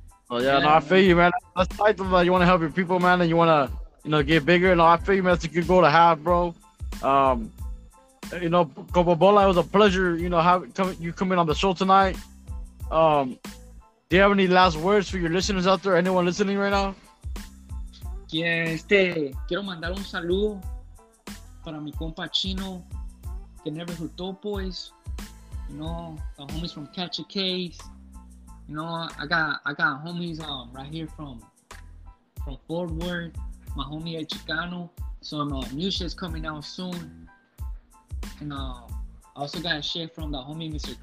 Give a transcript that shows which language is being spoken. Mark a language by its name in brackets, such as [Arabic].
[English] Oh, so, yeah, no, man. I feel you, man. That's the type of, you wanna help your people, man, and you wanna, you know, get bigger. No, I feel you, man. That's a good goal to have, bro. You know, Compa Bola, it was a pleasure, you know, coming on the show tonight. Do you have any last words for your listeners out there? Anyone listening right now? [Spanish] Yeah, quiero mandar un saludo para mi compa Chino. [English] The neighborhood dope boys, you know, the homies from Catch a Case, you know, I got homies right here from Fort Worth, my homie El Chicano, some new shit's coming out soon, and I also got a shit from the homie Mr.